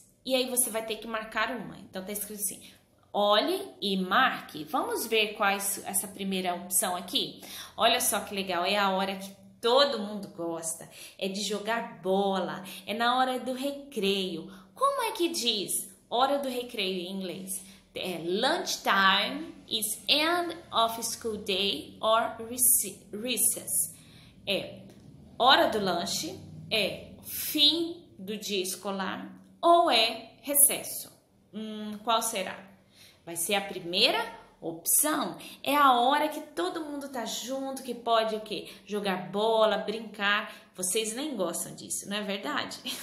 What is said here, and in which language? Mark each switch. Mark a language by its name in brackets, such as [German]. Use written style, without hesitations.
[Portuguese] E aí você vai ter que marcar uma. Então, tá escrito assim: olhe e marque. Vamos ver qual é essa primeira opção aqui? Olha só que legal, é a hora que todo mundo gosta. É de jogar bola, é na hora do recreio. Como é que diz hora do recreio em inglês? [English] É lunchtime is end of school day or recess. [Portuguese] É hora do lanche, é fim do dia escolar ou é recesso? Qual será? Vai ser a primeira opção. É a hora que todo mundo tá junto, que pode o quê? Jogar bola, brincar. Vocês nem gostam disso, não é verdade?